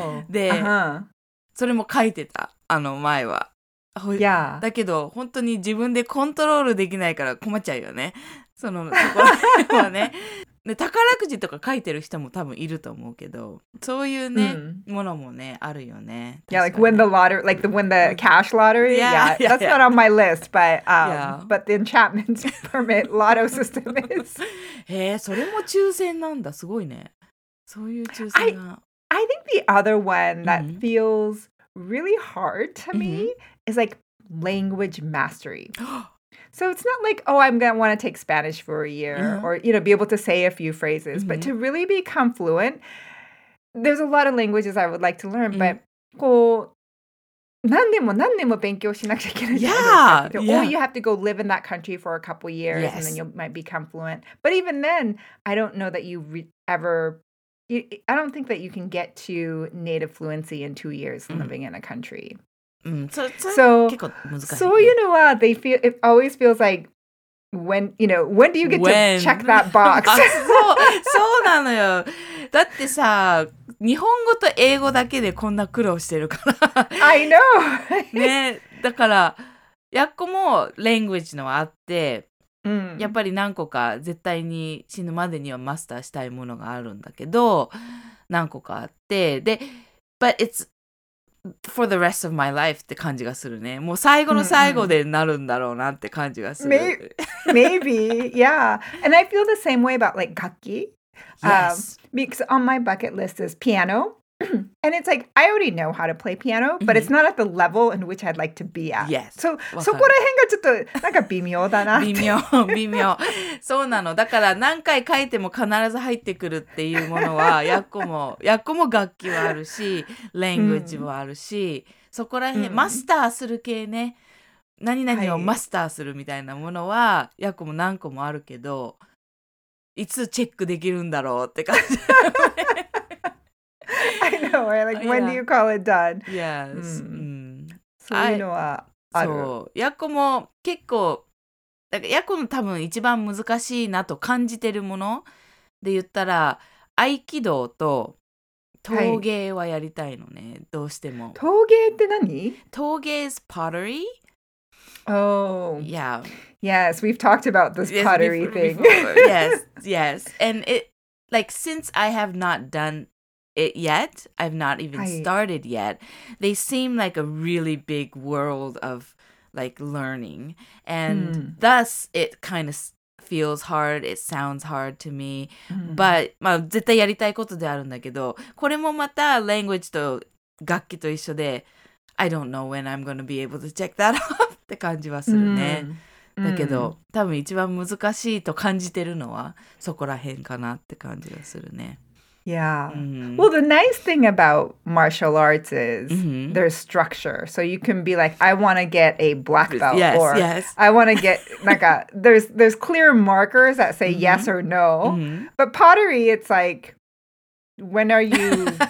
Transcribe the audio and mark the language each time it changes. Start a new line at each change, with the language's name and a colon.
Japanese: で、それも書いてた、あの前は。
English: Yeah.
Japanese: だけど、本当に自分でコントロールできないから困っちゃうよね。そのところはね。で宝くじとか書いてる人も多分いると思うけど、そういうね、ものもね、あるよね。
English: Yeah, like win the lottery, like the, win the cash lottery. Yeah, yeah, that's not on my list, but the enchantment permit lotto system is.
Japanese: へー、それも抽選なんだ、すごいね。そういう抽選が。
English: I think the other one that feels really hard to me is like language mastery. So it's not like, oh, I'm going to want to take Spanish for a year or, you know, be able to say a few phrases. But to really become fluent, there's a lot of languages I would like to learn.
Japanese: But, こう、何年も何年も勉強しなくちゃいけない。
English: Yeah. Or you have to go live in that country for a couple years and then you might become fluent. But even then, I don't know that you ever, I don't think that you can get to native fluency in 2 years living in a country. So you know what they feel, it always feels like when, you know, when do you get to check that box?
Japanese: そうなのよ。だってさ、日本語と英語だけでこんな苦労してるから。
English: I know.
Japanese: ね、だからやっこもラングイッジのはあって、やっぱり何個か絶対に死ぬまでにはマスターしたいものがあるんだけど、何個かあって、で、
English: but it'sfor the rest of my life
Japanese: って感じがするね。もう最後の最後でなるんだろうなって感じがする。
English: Maybe, yeah. And I feel the same way about like 楽器. Yes. Because on my bucket list is piano. And it's like, I already know how to play piano, but it's not at the level in which I'd like to be at. Yes.
Japanese: So, そこら辺がちょっとなんか微妙だなって。微妙、微妙。そうなの。だから何回書いても必ず入ってくるっていうものは、やっこも、やっこも楽器はあるし、ラングイッジもあるし、そこら辺、マスターする系ね。何々をマスターするみたいなものは、やっこも何個もあるけど、いつチェックできるんだろうって感じ。
English: I know, right? Like, when do you call it done? Yes.
Japanese: そういうのはある。そう、ヤコも結構、だからヤコの多分一番難しいなと感じてるもので言ったら、合気道と陶芸はやりたいのね、どうしても。陶芸って何？
English: 陶芸 is pottery? Oh. Yeah. Yes, we've talked about this pottery thing. Yes, yes. And it, like, since I have not done... it yet. I've not even started yet. They seem like a really big world of like learning. And thus it kind of feels hard. It sounds hard to me. But,
Japanese: まあ絶対やりたいことであるんだけど、これもまた
English: language
Japanese: と楽器と一緒で、
English: I don't know when I'm going to be able to check that off
Japanese: って感じはするね。だけど、多分一番難しいと感じてるのはそこら辺かなって感じがするね。
English: Yeah. Well, the nice thing about martial arts is there's structure. So you can be like, I want to get a black belt. Yes, or yes. I want to get, like, a, there's clear markers that say yes or no. But pottery, it's like, when are you?